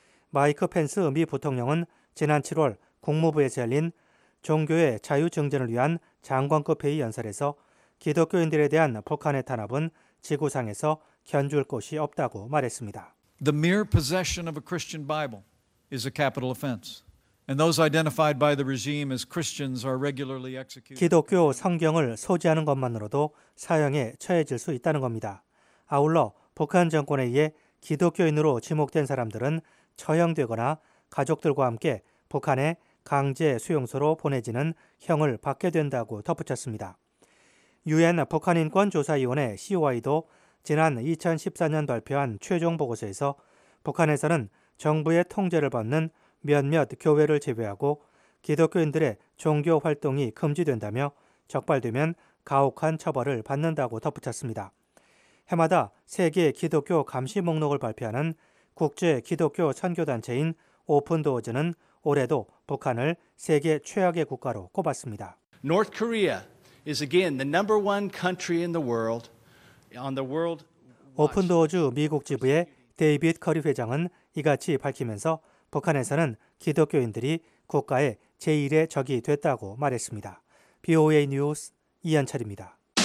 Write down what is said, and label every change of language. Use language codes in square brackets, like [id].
[ko] 마이크 펜스 미 부통령은 지난 7월 국무부에서 열린 종교의 자유 증진을 위한 장관급 회의 연설에서 기독교인들에 대한 북한의 탄압은 지구상에서 견줄 곳이 없다고 말했습니다. [en] The mere possession of a Christian Bible is a capital offense. And those identified by the regime as Christians are regularly executed. [ko] 기독교 성경을 소지하는 것만으로도 사형에 처해질 수 있다는 겁니다. 아울러 북한 정권에 의해 기독교인으로 지목된 사람들은 처형되거나 가족들과 함께 북한의 강제 수용소로 보내지는 형을 받게 된다고 덧붙였습니다. 유엔 북한인권조사위원회 COI도 지난 2014년 발표한 최종 보고서에서 북한에서는 정부의 통제를 받는 몇몇 교회를 제외하고 기독교인들의 종교 활동이 금지된다며 적발되면 가혹한 처벌을 받는다고 덧붙였습니다. 해마다 세계 기독교 감시 목록을 발표하는 국제 기독교 선교단체인 오픈도어즈는 올해도 북한을 세계 최악의 국가로 꼽았습니다. [en] North Korea is again the number one country in the world on the world. [ko] 오픈도어즈 미국 지부의 데이빗 커리 회장은 이같이 밝히면서 북한에서는 기독교인들이 국가의 제1의 적이 됐다고 말했습니다. BOA 뉴스 이현철입니다.